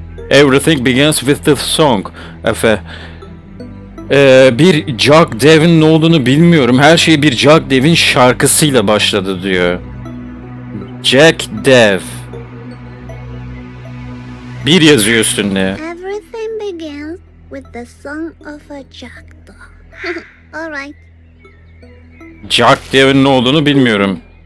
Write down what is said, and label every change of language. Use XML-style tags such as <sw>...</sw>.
<en>Everything begins with the song.</en> <tr>Efe. Bir Jack Dev'in olduğunu bilmiyorum. Her şey bir Jack Dev'in şarkısıyla başladı diyor. Jack Dev. Bir yazıyor üstünde.</tr> <en>Everything begins with the song of a jackdaw. Alright.</en> <tr>Jack Dev'in ne olduğunu bilmiyorum.</tr>